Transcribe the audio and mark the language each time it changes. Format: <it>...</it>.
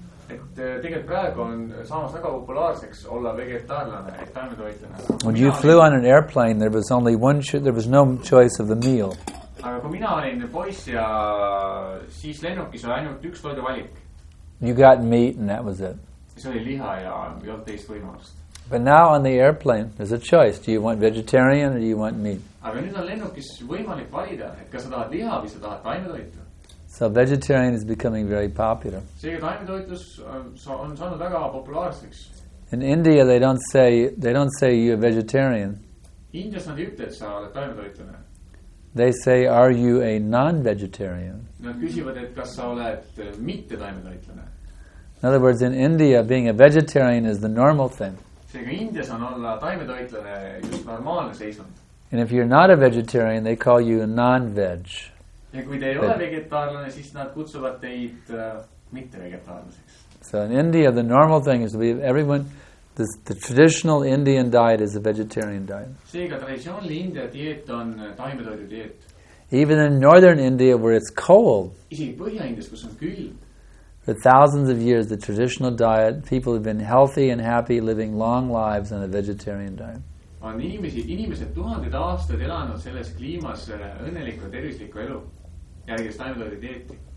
<et>Et tegelikult praegu on saamas väga populaarseks olla vegetaarlane, et taimetoitlane.</et> <en>When you flew on an airplane there was only one there was no choice of the meal.</en> <et>Aga kui mina olin poiss ja siis lennukis oli ainult üks toide valik.</et> <en>You got meat and that was it.</en> <et>See oli liha ja ei olnud teist võimalust.</et> <en>But now on the airplane there's a choice. Do you want vegetarian or do you want meat?</en> <et>Aga nüüd on lennukis võimalik valida, et kas sa tahad liha või sa tahad taimetoitu.</et> <en>So vegetarian is becoming very popular.</en> <et>See taimetoitus on saanud väga populaarseks.</et> <en>In India they don't say you're vegetarian.</en> <et>Indias nad ei ütle, et sa oled taimetoitlane.</et> <en>They say are you a non-vegetarian?</en> <et>Nad küsivad, et kas sa oled mitte taimetoitlane.</et> <en>In other words, in India being a vegetarian is the normal thing.</en> <et>Seega Indias on olla taimetoitlane just normaalne seisund.</et> <en>And if you're not a vegetarian, they call you a non-veg.</en> <et>Ja kui te ei ole vegetaarlane, siis nad kutsuvad teid mitte vegetaarlaseks.</et> <en>So in India the normal thing is the traditional Indian diet is a vegetarian diet.</en> <et>Seega traditsioonli India dieet on taimetoidu dieet.</et> <en>Even in northern India where it's cold.</en> <et>Isegi Põhja-Indias, kus on külm.</et> <en>For thousands of years, the traditional diet, people have been healthy and happy, living long lives on a vegetarian diet.</en> <et>On inimesed tuhanded aastad elanud selles kliimas õnneliku, tervisliku elu, järgis taimetoidu dieeti.</et>